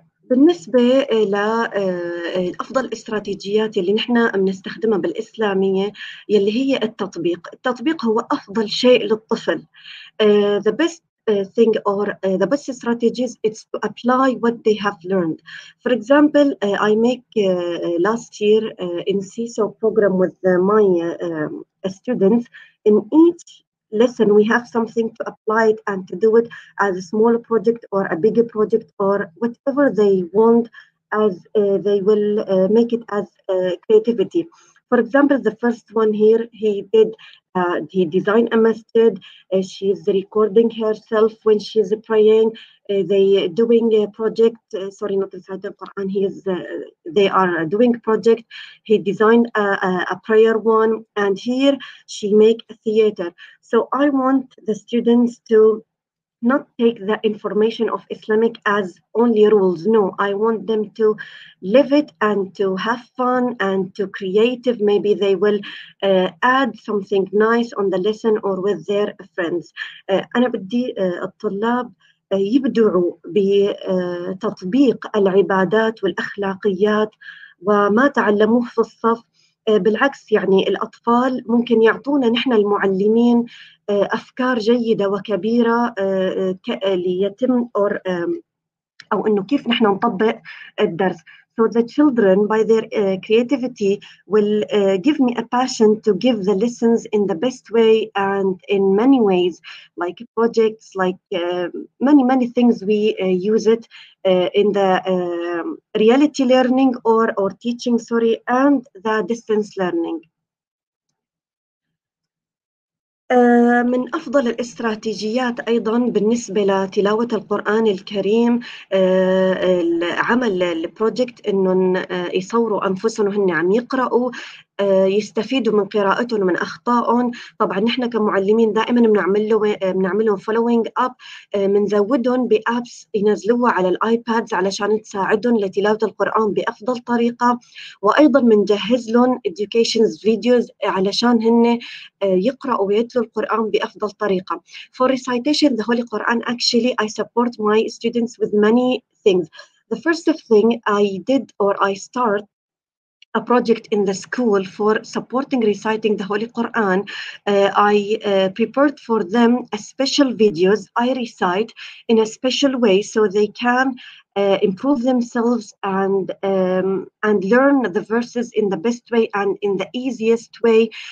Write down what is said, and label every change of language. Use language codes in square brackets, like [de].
[ar] بالنسبة لأفضل الاستراتيجيات اللي نحن بنستخدمها بالإسلامية، يلي هي التطبيق. التطبيق هو أفضل شيء للطفل. [en] The best thing or the best strategies is to apply what they have learned. For example, I make last year in CISO program with my students. In each lesson, we have something to apply it and to do it as a smaller project or a bigger project or whatever they want, as they will make it as creativity. For example, the first one here, he did, he designed a masjid. She's recording herself when she's praying. They doing a project, sorry, not inside the Quran, they are doing project. He designed a prayer one, and here she make a theater. So I want the students to not take the information of Islamic as only rules. No, I want them to live it and to have fun and to creative. Maybe they will add something nice on the lesson or with their friends. [ar] أنا بدي الطلاب يبدعوا بتطبيق العبادات والأخلاقيات وما تعلموه في الصف. بالعكس، يعني الأطفال ممكن يعطونا نحن المعلمين أفكار جيدة وكبيرة ليتم أو إنه كيف نحن نطبق الدرس. [en] So the children by their creativity will give me a passion to give the lessons in the best way and in many ways, like projects, like many things we use it in the reality learning or teaching, sorry, and the distance learning. [ar] من أفضل الاستراتيجيات أيضاً بالنسبة لتلاوة القرآن الكريم عمل البروجكت إنه يصوروا أنفسهم وهن عم يقرأوا، يستفيدوا من قراءتهم ومن أخطائهم. طبعاً نحن كمعلمين دائماً بنعملهم [en] following up، [ar] منزودهم بأبس ينزلوها على الآيبادز علشان تساعدهم لتلاوة القرآن بأفضل طريقة، وأيضاً منجهز لهم [en] education videos [ar] علشان هن يقرأوا ويتلوا القرآن بأفضل طريقة. [en] For recitation the Holy Quran, actually I support my students with many things. The first of thing I did or I start a project in the school for supporting reciting the Holy Quran. I prepared for them a special videos I recite in a special way so they can improve themselves and learn the verses in the best way and in the easiest way.